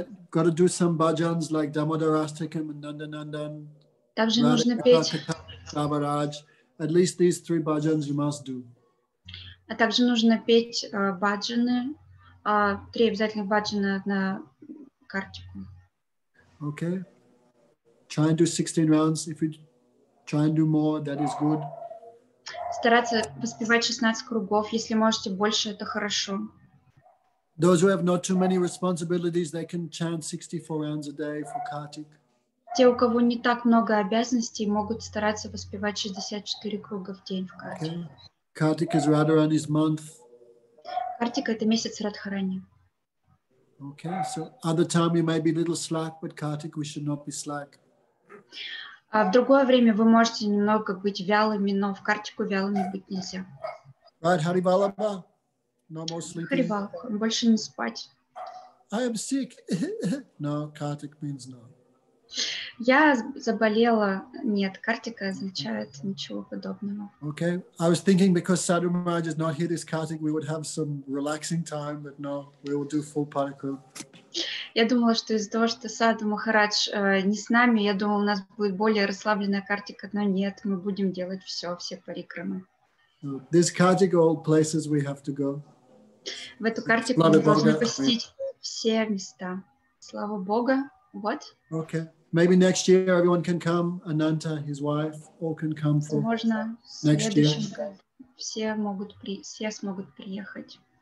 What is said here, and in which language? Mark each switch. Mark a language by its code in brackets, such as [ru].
[en] Got to do some bhajans like Damodarastakam and Nandanandan. [ru] Также нужно петь. [en] At least these three bhajans you must do. [ru] А также нужно петь баджаны, три обязательных баджана на Картику. [en] Okay. Try and do 16 rounds. If you try and do more, that is good. [ru] Стараться воспевать 16 кругов, если можете больше, это хорошо. [en] Those who have not too many responsibilities, they can chant 64 rounds a day for Kartik. [ru] Те, у кого не так много обязанностей, могут стараться воспевать 64 круга в день в Картике. [en] Kartik is Radharani's month. [ru] Картика — это месяц Радхарани. [en] Okay, so other time you may be a little slack, but Kartik we should not be slack. [ru] А в другое время вы можете немного быть вялыми, но в Картику вялыми быть нельзя. [en] Right, Харибалаба, no more sleeping. [ru] Харибал, больше не спать. [en] I am sick. No, Kartik means no. [ru] Я заболела. Нет, Картика означает ничего подобного. [en] Okay, I was thinking because Sadhu Maharaj is not here this Kartik, we would have some relaxing time, but no, we will do full parikram. [ru] Я думала, что из-за того, что Саду Махарадж не с нами, я думала, у нас будет более расслабленная Картика, но нет, мы будем делать все парикрамы. [en] This Kartik, all places we have to go. [ru] В эту Картику мы должны посетить все места. Слава Богу. [en] What? Okay. Maybe next year everyone can come. Ananta, his wife, all can come for next year. [ru] Все смогут приехать.